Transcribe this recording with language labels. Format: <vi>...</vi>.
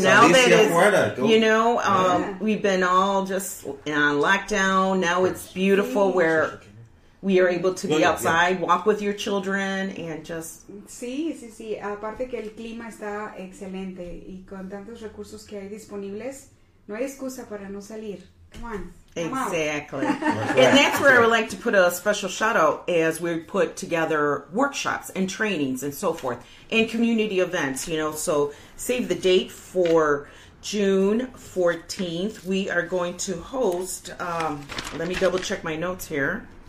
<en>Now that is, you know, we've been all just on lockdown. Now it's beautiful where we are able to be outside, walk with your children, and just...</en> <es>Sí. Aparte que el clima está excelente y con tantos recursos que hay disponibles, no hay excusa para no salir.</es> <en>Come on. Exactly. And that's where I would like to put a special shout out as we put together workshops and trainings and so forth and community events, you know. So save the date for June 14th. We are going to host, let me double check my notes here.</en>